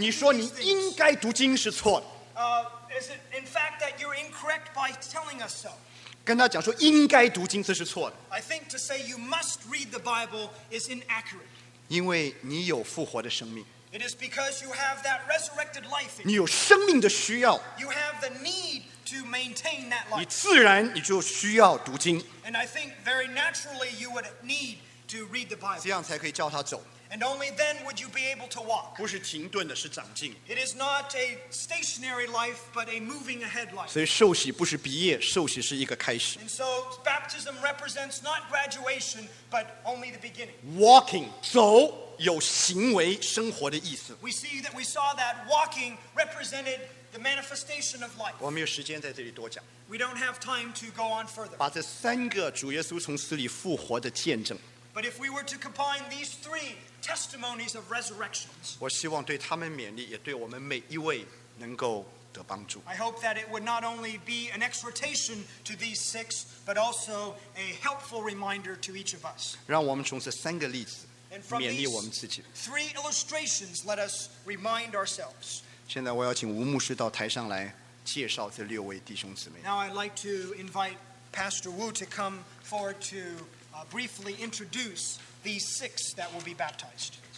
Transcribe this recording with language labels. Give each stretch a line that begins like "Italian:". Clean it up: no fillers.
Chinese: 你说你应该读经是错的。
English: is it in fact that you're incorrect by telling us so?
Chinese: 跟他讲说应该读经，这是错的。
English: I think to say you must read the Bible is inaccurate.
Chinese: 因为你有复活的生命。
English: It is because you have that resurrected life.
Chinese: 你有生命的需要。
English: You have the need to maintain that life.
Chinese: 你自然你就需要读经。
English: And I think very naturally you would need to read the Bible.
Chinese: 这样才可以叫他走。
English: And only then would you be able to walk.
Chinese: 不是停顿的，是长进。
English: It is not a stationary life, but a moving ahead life.
Chinese: 所以受洗不是毕业，受洗是一个开始。
English: And so baptism represents not graduation, but only the beginning. Walking,
Chinese: 走，有行为生活的意思。
English: We see that we saw that walking represented the manifestation of life.
Chinese: 我没有时间在这里多讲。
English: We don't have time to go on further.
Chinese: 把这三个主耶稣从死里复活的见证。
English: But if we were to combine these three testimonies of resurrections,
Chinese: 我希望对他们勉励，也对我们每一位能够得帮助。
English: I hope that it would not only be an exhortation to these six, but also a helpful reminder to each of us.
Chinese: 让我们从这三个例子勉励我们自己。
English: And from these three illustrations, let us remind ourselves.
Chinese: 现在我要请吴牧师到台上来介绍这六位弟兄姊妹。
English: Now I'd like to invite Pastor Wu to come forward to. Briefly introduce these six that will be baptized.